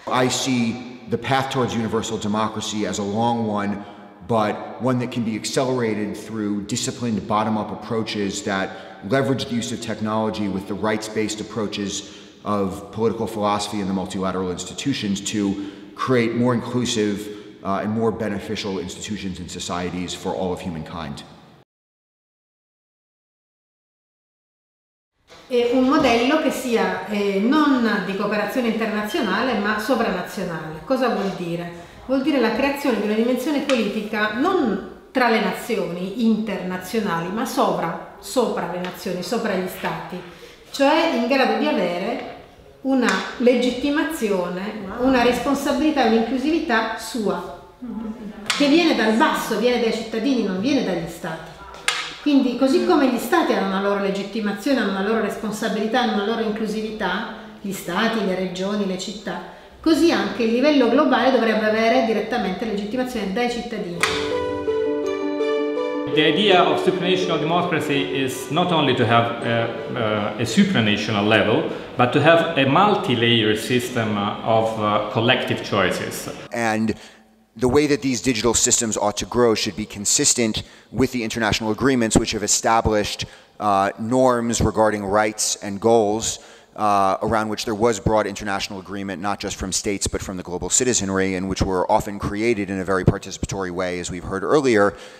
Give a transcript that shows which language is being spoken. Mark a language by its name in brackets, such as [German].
[English] I see the path towards universal democracy as a long one, but one that can be accelerated through disciplined bottom-up approaches that leverage the use of technology with the rights-based approaches of political philosophy and the multilateral institutions to create more inclusive and more beneficial institutions and societies for all of humankind. [Italian] E un modello che sia non di cooperazione internazionale ma sovranazionale. Cosa vuol dire? Vuol dire la creazione di una dimensione politica non tra le nazioni internazionali, ma sopra le nazioni, sopra gli stati, cioè in grado di avere una legittimazione, una responsabilità, un'inclusività sua, che viene dal basso, viene dai cittadini, non viene dagli stati. Quindi, così come gli stati hanno una loro legittimazione, hanno una loro responsabilità, hanno una loro inclusività, gli stati, le regioni, le città, così anche il livello globale dovrebbe avere direttamente legittimazione dai cittadini. [English] The idea of supranational democracy is not only to have a supranational level, but to have a multi-layer system of collective choices. And the way that these digital systems ought to grow should be consistent with the international agreements which have established norms regarding rights and goals around which there was broad international agreement, not just from states but from the global citizenry, and which were often created in a very participatory way, as we've heard earlier.